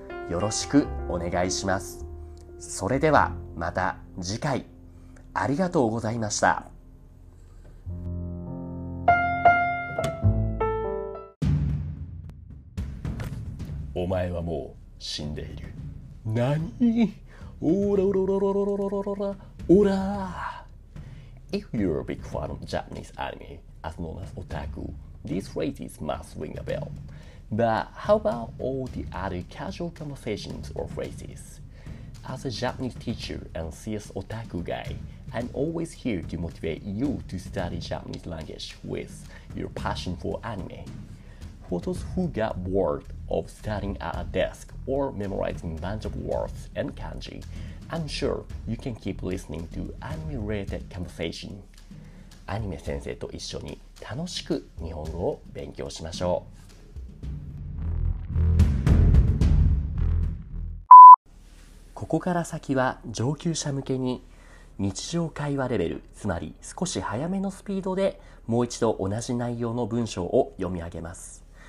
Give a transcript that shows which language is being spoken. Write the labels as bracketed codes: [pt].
[ja] よろしくお願いします。それではまた次回、ありがとうございました。お前はもう死んでいる。なに？オラオラオラオラオラオラオラ。 [en] If you're a big fan of Japanese anime, as known as otaku, these phrases must ring a bell. But how about all the other casual conversations or phrases? As a Japanese teacher and serious otaku guy, I'm always here to motivate you to study Japanese language with your passion for anime. For those who got bored of studying at a desk or memorizing a bunch of words and kanji,I'm sure you can keep listening to anime-related conversation. [ja] アニメ先生と一緒に楽しく日本語を勉強しましょう。ここから先は上級者向けに日常会話レベル、つまり少し早めのスピードでもう一度同じ内容の文章を読み上げます。